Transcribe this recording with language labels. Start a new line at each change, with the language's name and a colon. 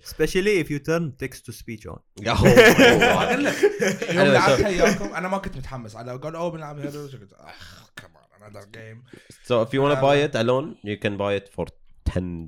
English: Especially if you turn text to speech on.
Arabic: أقول لك يوم لعبتها ياكم أنا ما كنت متحمس على قال أوه بنلعب Halos قلت أخ كمان
English: another game. So if you wanna buy it alone you can buy it for $10.